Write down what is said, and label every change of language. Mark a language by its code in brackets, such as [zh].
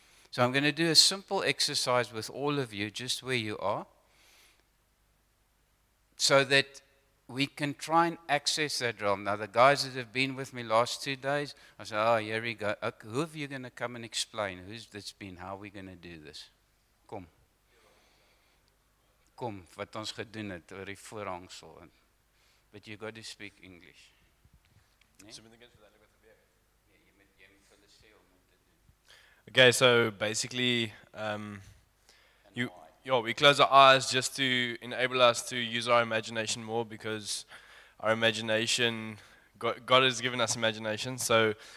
[en] So I'm going to do a simple exercise with all of you, just where you are, so that we can try and access that realm. Now, the guys that have been with me last 2 days, I said, oh, here we go. Okay, who are you going to come and explain? Who's this been? How are we going to do this? Come. [af] Kom, wat ons gedoen het oor die voorhangsel. [en] But you got to speak English. Okay, so basically, we close our eyes just to enable us to use our imagination more, because our imagination, God has given us imagination, so